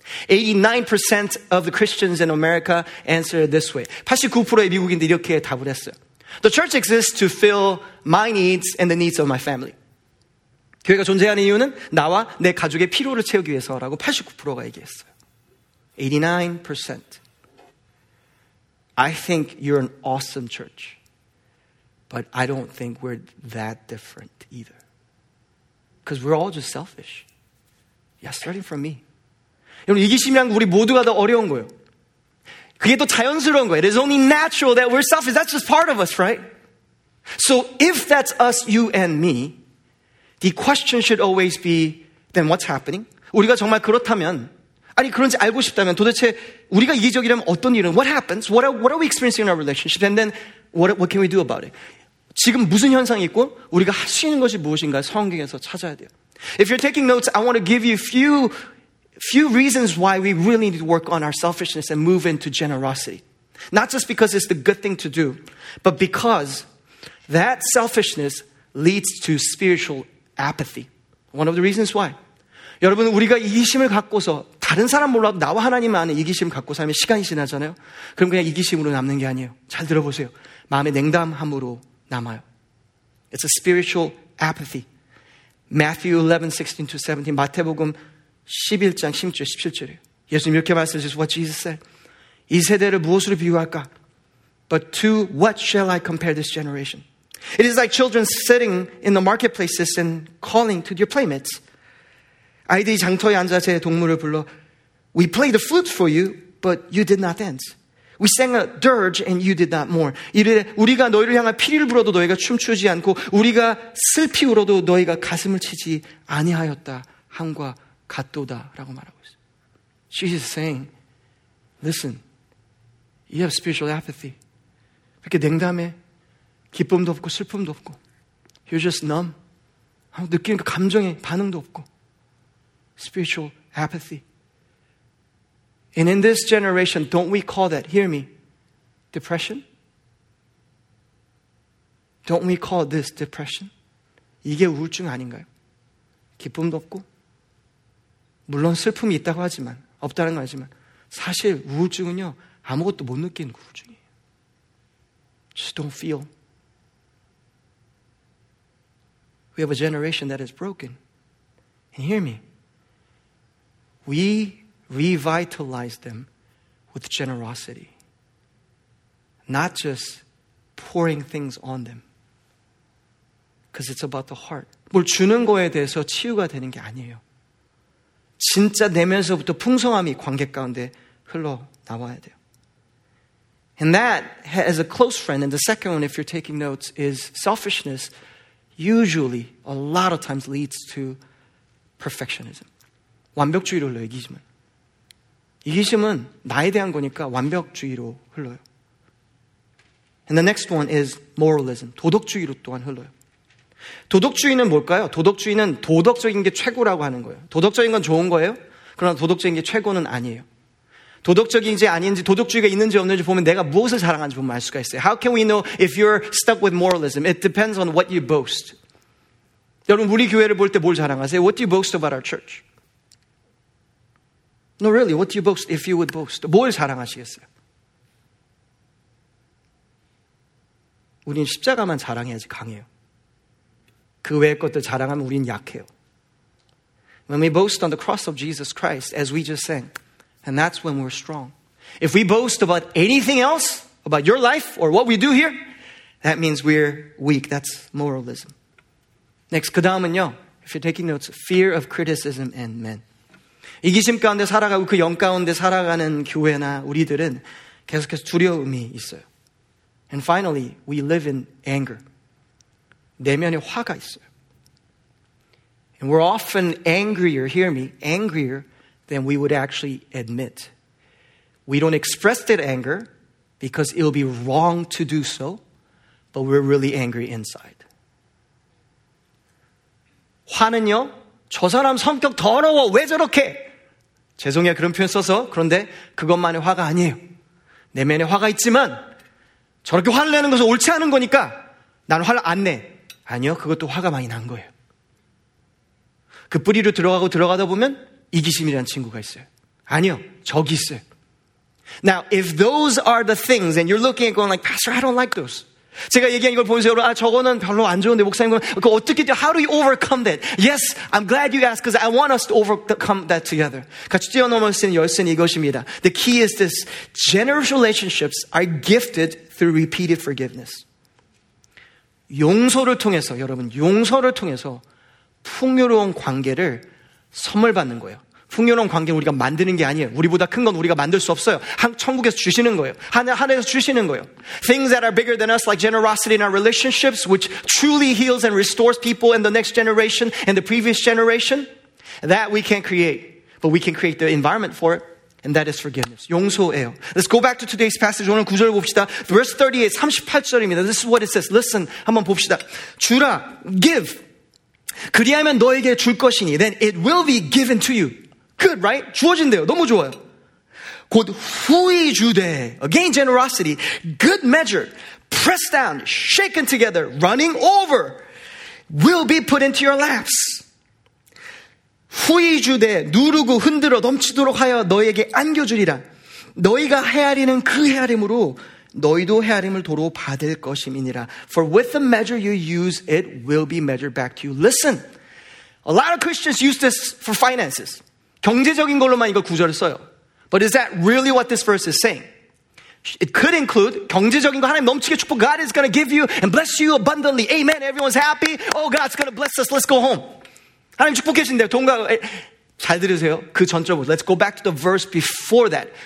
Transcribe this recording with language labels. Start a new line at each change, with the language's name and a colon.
English: 89% of the Christians in America answered this way.
Korean: 89%의 미국인들 이렇게 답을 했어요.
English: The church exists to fill my needs and the needs of my family.
Korean: 교회가 존재하는 이유는 나와 내 가족의 필요를 채우기 위해서라고 89%가 얘기했어요.
English: 89%. I think you're an awesome church. But I don't think we're that different either. Because we're all just selfish. Yeah, starting from me.
Korean: 여러분, 이기심이란 우리 모두가 다 어려운 거예요. 그게 또 자연스러운 거예요.
English: It is only natural that we're selfish. That's just part of us, right? So if that's us, you and me, the question should always be, then what's happening?
Korean: 우리가 정말 그렇다면, 아니 그런지 알고 싶다면 도대체 우리가 이기적이라면 어떤 일은,
English: what happens? What are we experiencing in our relationship? And then, What can we do about it?
Korean: 지금 무슨 현상이 있고 우리가 할 수 있는 것이 무엇인가 성경에서 찾아야 돼요.
English: If you're taking notes, I want to give you few reasons why we really need to work on our selfishness and move into generosity. Not just because it's the good thing to do, but because that selfishness leads to spiritual apathy. One of the reasons why.
Korean: 여러분 우리가 이기심을 갖고서 다른 사람 몰라도 나와 하나님 안에 이기심 갖고 살면 시간이 지나잖아요. 그럼 그냥 이기심으로 남는 게 아니에요. 잘 들어보세요. 마음의 냉담함으로 남아요.
English: It's a spiritual apathy. Matthew 11:16-17, 마태복음
Korean: 11장 16절 17절에 예수님 이렇게 말씀하시죠.
English: This is what Jesus said.
Korean: 이 세대를 무엇으로 비유할까?
English: But to what shall I compare this generation? It is like children sitting in the marketplaces and calling to their playmates.
Korean: 아이들이 장터에 앉아 제 동무를 불러
English: We played the flute for you, but you did not dance. We sang a dirge and you did not mourn.
Korean: 이르되 우리가 너희를 향한 피리를 불어도 너희가 춤추지 않고 우리가 슬피 울어도 너희가 가슴을 치지 아니하였다 함과 같도다라고 말하고 있어요.
English: Jesus is saying, listen, you have spiritual apathy.
Korean: 그렇게 냉담해. 기쁨도 없고 슬픔도 없고.
English: You're just numb.
Korean: 느끼는 그 감정에 반응도 없고.
English: Spiritual apathy. And in this generation, don't we call that, hear me, depression? Don't we call this depression?
Korean: 이게 우울증 아닌가요? 기쁨도 없고, 물론 슬픔이 있다고 하지만, 없다는 건 아니지만, 사실 우울증은요, 아무것도 못 느끼는 우울증이에요.
English: Just don't feel. We have a generation that is broken. And hear me, we revitalize them with generosity. Not just pouring things on them. Because it's about the heart.
Korean: 뭘 주는 거에 대해서 치유가 되는 게 아니에요. 진짜 내면서부터 풍성함이 관계 가운데 흘러나와야 돼요.
English: And that, as a close friend, and the second one, if you're taking notes, is selfishness usually, a lot of times, leads to perfectionism.
Korean: 완벽주의로 흘러요, 이기심은. 이기심은 나에 대한 거니까 완벽주의로 흘러요.
English: And the next one is moralism.
Korean: 도덕주의로 또한 흘러요. 도덕주의는 뭘까요? 도덕주의는 도덕적인 게 최고라고 하는 거예요. 도덕적인 건 좋은 거예요. 그러나 도덕적인 게 최고는 아니에요. 도덕적인지 아닌지 도덕주의가 있는지 없는지 보면 내가 무엇을 자랑하는지 보면 알 수가 있어요.
English: How can we know if you're stuck with moralism? It depends on what you boast.
Korean: 여러분 우리 교회를 볼 때 뭘 자랑하세요?
English: What do you boast about our church? No, really, what do you boast if you would boast?
Korean: 뭘 자랑하시겠어요? 우린 십자가만 자랑해야지 강해요. 그 외의 것들 자랑하면 우린 약해요.
English: When we boast on the cross of Jesus Christ, as we just sang, and that's when we're strong. If we boast about anything else, about your life or what we do here, that means we're weak. That's moralism. Next,
Korean: 그 다음은요,
English: if you're taking notes, fear of criticism and men.
Korean: 이기심 가운데 살아가고 그 영 가운데 살아가는 교회나 우리들은 계속해서 두려움이 있어요.
English: And finally, we live in anger.
Korean: 내면에 화가 있어요.
English: And we're often angrier, hear me, angrier than we would actually admit. We don't express that anger because it'll be wrong to do so, but we're really angry inside.
Korean: 화는요, 저 사람 성격 더러워, 왜 저렇게? 죄송해요. 그런 표현 써서. 그런데 그것만의 화가 아니에요. 내면에 화가 있지만 저렇게 화를 내는 것은 옳지 않은 거니까 난 화를 안 내. 아니요. 그것도 화가 많이 난 거예요. 그 뿌리로 들어가고 들어가다 보면 이기심이라는 친구가 있어요. 아니요. 적이 있어요.
English: Now, if those are the things and you're looking at going like, Pastor, I don't like those.
Korean: 제가 얘기한 걸 보면서 여러분, 아, 저거는 별로 안 좋은데, 목사님, 그거 어떻게,
English: how do you overcome that? Yes, I'm glad you asked, because I want us to overcome that together.
Korean: 같이 뛰어넘을 수 있는 열쇠는 이것입니다.
English: The key is this. Generous relationships are gifted through repeated forgiveness.
Korean: 용서를 통해서, 여러분, 용서를 통해서 풍요로운 관계를 선물 받는 거예요. 풍요로운 관계는 우리가 만드는 게 아니에요. 우리보다 큰 건 우리가 만들 수 없어요. 천국에서 주시는 거예요. 하늘에서 주시는 거예요.
English: Things that are bigger than us, like generosity in our relationships, which truly heals and restores people in the next generation and the previous generation, that we can't create. But we can create the environment for it, and that is forgiveness.
Korean: 용서예요.
English: Let's go back to today's passage.
Korean: 오늘 구절을 봅시다.
English: Verse 38,
Korean: 38절입니다.
English: This is what it says. Listen,
Korean: 한번 봅시다. 주라,
English: give.
Korean: 그리하면 너에게 줄 것이니
English: then it will be given to you. Good, right?
Korean: 주어진대요. 너무 좋아요. 곧 후이 주되
English: again generosity, good measure, pressed down, shaken together, running over, will be put into your laps.
Korean: 후이 주되 누르고 흔들어 넘치도록 하여 너에게 안겨주리라. 너희가 헤아리는 그 헤아림으로 너희도 헤아림을 도로 받을 것임이니라.
English: For with the measure you use, it will be measured back to you. Listen, a lot of Christians use this for finances.
Korean: 경제적인 걸로만 이걸 구절을 써요.
English: But is that really what this verse is saying? It could include
Korean: 경제적인 거 하나님 넘치게 축복.
English: God is going to give you and bless you abundantly. Amen. Everyone's happy. Oh, God's going to bless us. Let's go home.
Korean: 하나님 축복해주신대. 동가 잘 들으세요. 그 전적으로.
English: Let's go back to the verse before that.